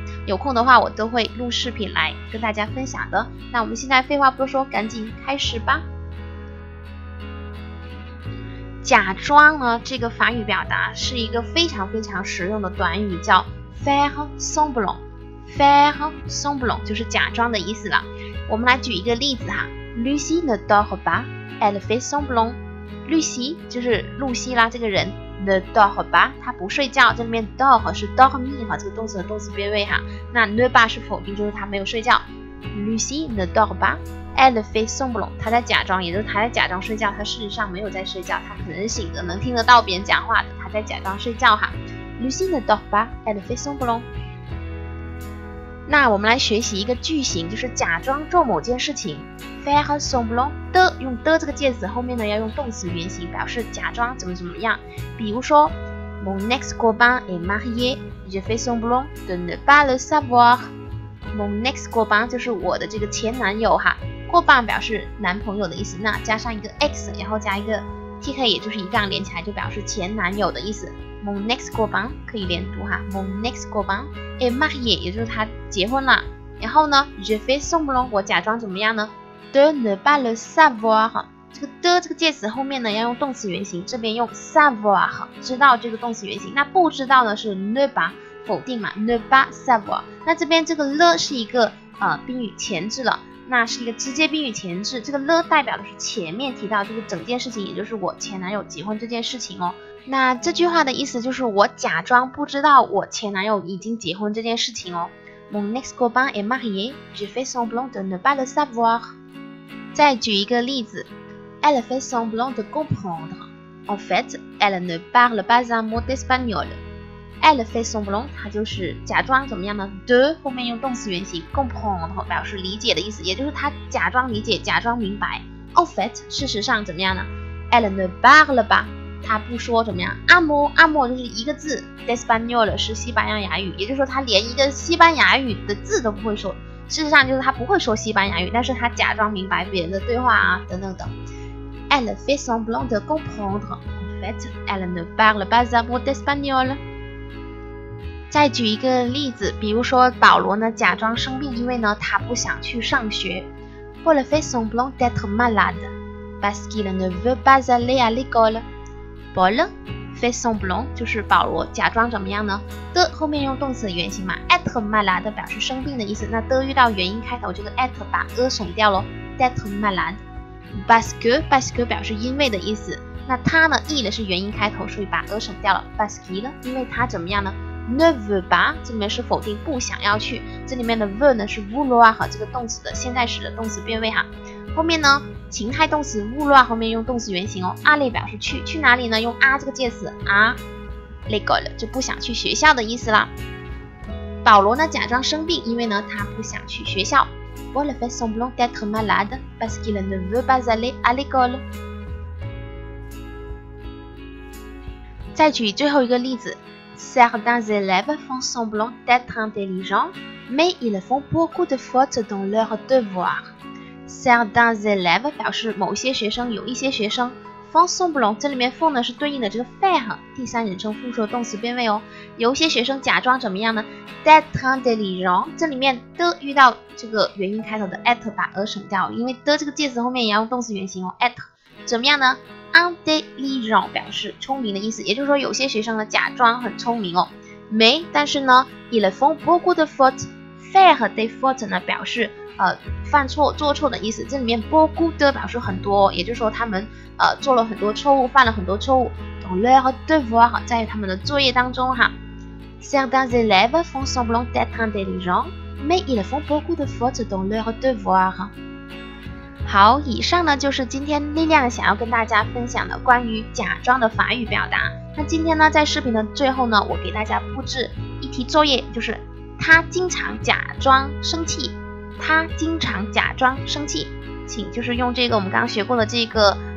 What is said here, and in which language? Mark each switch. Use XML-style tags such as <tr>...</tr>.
<zh>有空的话我都会录视频来跟大家分享的。那我们现在废话不说，赶紧开始吧。假装呢，这个法语表达是一个非常非常实用的短语，叫</zh> <fr>faire semblant。 faire semblant</fr> <zh>就是假装的意思了。我们来举一个例子哈，</zh> <fr>Lucy ne dort pas, elle fait semblant。</fr> <zh>Lucy 就是露西啦，这个人</zh> <fr>ne dort pas</fr> <zh>她不睡觉，这里面 dort 是 dormir 这个动词的动词变位哈，那</zh> <fr>ne pas</fr> <zh>是否定，就是她没有睡觉。</zh> <fr>Lucy ne dort pasElle fait semblant，</fr> <zh>她在假装，也就是她在假装睡觉，她事实上没有在睡觉，她可能醒着，能听得到别人讲话的，她在假装睡觉哈。</zh> <fr>Lucy ne dort pas, elle fait semblant。</fr> <zh>那我们来学习一个句型，就是假装做某件事情。</zh> <fr>Faire semblant de，</fr> <zh>用 de 这个介词，后面呢要用动词原形，表示假装怎么怎么样。比如说</zh> <fr>，Mon ex copain est marié, je fais semblant de ne pas le savoir。 Mon ex copain</fr> <zh>就是我的这个前男友哈。过半表示男朋友的意思，那加上一个 x， 然后加一个 tk， 也就是一杠连起来，就表示前男友的意思。</zh> <fr>Mon ex copain</fr> <zh>可以连读哈 ，</zh> <fr>Mon ex copain est marié，</fr> <zh>也就是他结婚了。然后呢 ，</zh> <fr>je fais semblant，</fr> <zh>我假装怎么样呢 ？</zh> <fr>De ne pas le savoir，</fr> <zh>这个 de 这个介词后面呢要用动词原形，这边用 savoir， 知道这个动词原形。那不知道呢是</zh> <fr>ne pas，</fr> <zh>否定嘛 ，</zh> <fr>ne pas savoir。</fr> <zh>那这边这个 le 是一个宾语前置了。那是一个直接宾语前置，这个了代表的是前面提到这个整件事情，也就是我前男友结婚这件事情哦。那这句话的意思就是我假装不知道我前男友已经结婚这件事情哦。</zh> <fr>Mon ex copain est marié, je fais semblant de ne pas le savoir。</fr> <zh>再举一个例子，</zh> <fr>Elle fait semblant de comprendre, en fait elle ne parle pas un mot d'espagnol。 Elle fait semblant，</fr> <zh>她就是假装怎么样呢 ？De 后面用动词原形 comprendre 表示理解的意思，也就是她假装理解，假装明白。</zh> <fr>En fait，</fr> <zh>事实上怎么样呢 ？</zh> <fr>Elle ne parle pas，</fr> <zh>她不说怎么样 ？</zh> <fr>Un mot</fr> <zh>就是一个字 ，d'espagnol 是西班牙牙语，也就是说她连一个西班牙语的字都不会说。事实上就是她不会说西班牙语，但是她假装明白别人的对话啊，等等等。</zh> <fr>Elle fait semblant de comprendre， en fait elle ne parle pas un mot d'espagnol。</fr> <zh>再举一个例子，比如说保罗呢假装生病，因为呢他不想去上学。</zh> <fr>Paul fait semblant d'être malade parce qu'il ne veut pas aller à l'école。 Paul fait semblant</fr> <zh>就是保罗假装怎么样呢 ？de 后面用动词原形嘛 ，</zh> <fr>être malade</fr> <zh>表示生病的意思，那 de 遇到原因开头这个 at 把 a 省掉咯</zh> <fr>d'être malade。 Parce que</fr> <zh>表示因为的意思，那他呢 ，il 是原因开头，所以把 a 省掉了。</zh> <fr>Parce qu'il</fr> <zh>因为他怎么样呢？</zh> <fr>Ne veut pas，</fr> <zh>这里面是否定，不想要去。这里面的 veut 呢是 vouloir 和这个动词的现在时的动词变位哈。后面呢，情态动词 vouloir 后面用动词原形哦。 aller 表示去，去哪里呢？用 à 这个介词</zh> <fr>à l'école</fr> <zh>就不想去学校的意思啦。保罗呢假装生病，因为呢他不想去学校。</zh> <fr>Paul fait semblant d'être malade parce qu'il ne veut pas aller à l'école。</fr> <zh>再举最后一个例子。</zh> <fr>Certains élèves font semblant d'être intelligents, mais ils font beaucoup de fautes dans leurs devoirs. Certains élèves</fr> <zh>表示某些学生，有一些学生</zh> <fr>font semblant，</fr> <zh>这里面 font 呢是对应的这个 faire， 第三人称复数动词变位哦。有些学生假装怎么样呢 ？</zh> <fr>d'être intelligents，</fr> <zh>这里面的遇到这个元音开头的 at 把 a 省掉，因为的这个介词后面也要用动词原形哦 ，at 怎么样呢？ Intelligent 表示聪明的意思，也就是说有些学生呢假装很聪明哦，没，但是呢</zh> <fr>il font beaucoup de fautes， faire des fautes</fr> <zh>呢表示犯错做错的意思，这里面</zh> <fr>beaucoup de</fr> <zh>表示很多、哦、也就是说他们做了很多错误，犯了很多错误</zh> <fr>dans leur devoir</fr> <zh>在他们的作业当中哈。</zh> <fr>Certains élèves font semblant d'être intelligent mais il font beaucoup de fautes dans leur devoir。</fr> <zh>好，以上呢就是今天莉莉安想要跟大家分享的关于假装的法语表达。那今天呢在视频的最后呢，我给大家布置一题作业，就是他经常假装生气，他经常假装生气，请就是用这个我们刚刚学过的这个</zh>